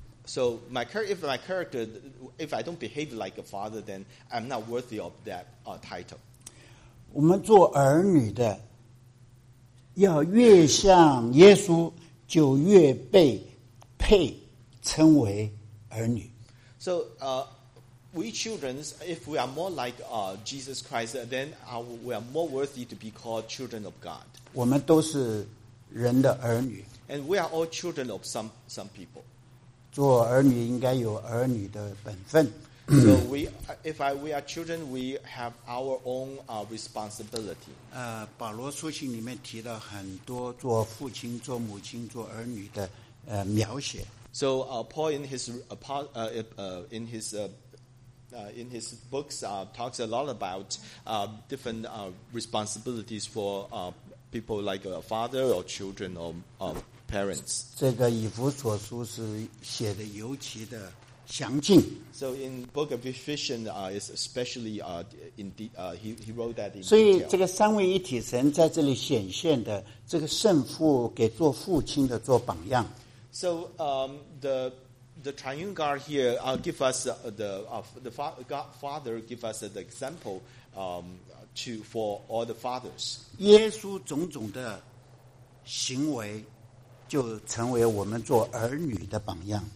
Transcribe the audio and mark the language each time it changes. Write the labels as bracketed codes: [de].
[en] So my character, if I don't behave like a father, then I'm not worthy of that title. [zh] 我们做儿女的，要越像耶稣，就越被配称为儿女。 [en] So we children, if we are more like Jesus Christ, then we are more worthy to be called children of God. [zh] 我们都是人的儿女。 [en] And we are all children of some people. [zh] 做儿女应该有儿女的本分。 [en] So we are children, we have our own responsibility. [zh] 保罗书信里面提了很多做父亲、做母亲、做儿女的描写。 [en] So Paul in his books talks a lot about different responsibilities for people like a father or children or parents. [zh] 这个以弗所书是写的尤其的详尽。 [en] So in Book of Ephesians, is especially he wrote that in detail. [zh] 所以这个三位一体神在这里显现的，这个圣父给做父亲的做榜样。 [en] So the Triune God here give us the God Father give us the example for all the fathers. [zh] 耶稣种种的行为。就成为我们做儿女的榜样。